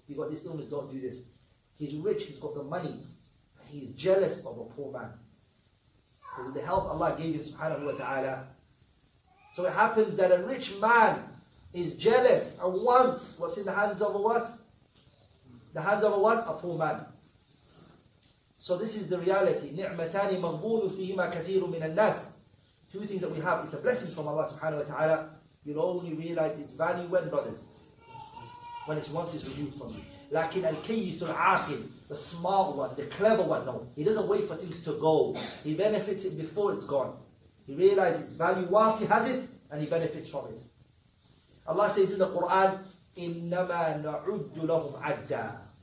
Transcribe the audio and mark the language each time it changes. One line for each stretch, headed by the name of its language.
English: You've got this illness, don't do this. He's rich, he's got the money, but he's jealous of a poor man. Because of the health Allah gave him, subhanahu wa ta'ala. So it happens that a rich man is jealous and wants what's in the hands of a what? The hands of a what? A poor man. So this is the reality.
Arabic: نِعْمَتَانِ مَغْبُولُ فِيهِمَا كَثِيرٌ مِنَ النَّاسِ
English: Two things that we have. It's a blessing from Allah subhanahu wa ta'ala. You'll only realize its value when, brothers? When it's once it's removed from you.
Arabic: لكن الكيس العاقل,
English: the smart one, the clever one, no. He doesn't wait for things to go. He benefits it before it's gone. He realizes its value whilst he has it, and he benefits from it. Allah says in the Quran,
Arabic: إِنَّمَا نَعُدُّ لَهُمْ عَدَّا.